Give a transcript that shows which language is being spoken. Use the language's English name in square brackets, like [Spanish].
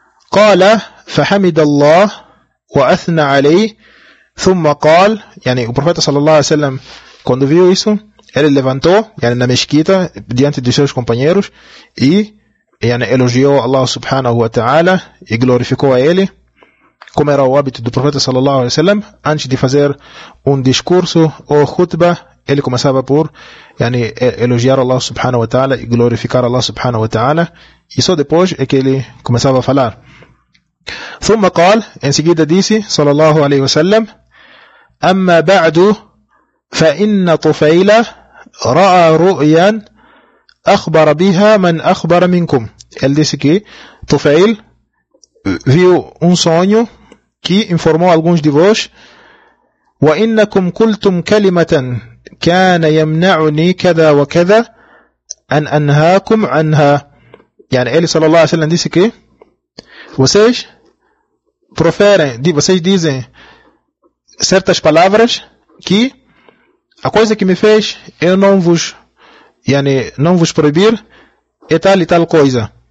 [Arabic] "Qala fahamid Allah wa athna alayhi thumma qal," [Portuguese] yani o profeta sallallahu alaihi wasallam, quando viu isso, ele levantou, yani, na mesquita, diante dos seus companheiros, e, yani, elogiou Allah subhanahu wa ta'ala e glorificou a ele, como era o hábito do profeta sallallahu alaihi wasallam, antes de fazer um discurso ou khutbah, Ele começava por yani, elogiar Allah subhanahu wa ta'ala e glorificar Allah subhanahu wa ta'ala. E só depois é que ele começava a falar. [Arabic] ثم قال, [Portuguese] em seguida disse, [Arabic] sallallahu alaihi wasallam, أما بعد فإن طفيلة رأى رؤيا أخبر بها من أخبر منكم. [Portuguese] Ele disse que Tufail viu um sonho que informou alguns de vós. [Arabic] وإنكم قلتم كلمة كان يمنعني كذا وكذا أن أنهاكم عنها. [Portuguese] Yani, ele sallallahu alaihi wasallam disse que vocês proferem, vocês dizem certas palavras que a coisa que me fez eu não vos, yani, não vos proibir é tal e tal coisa.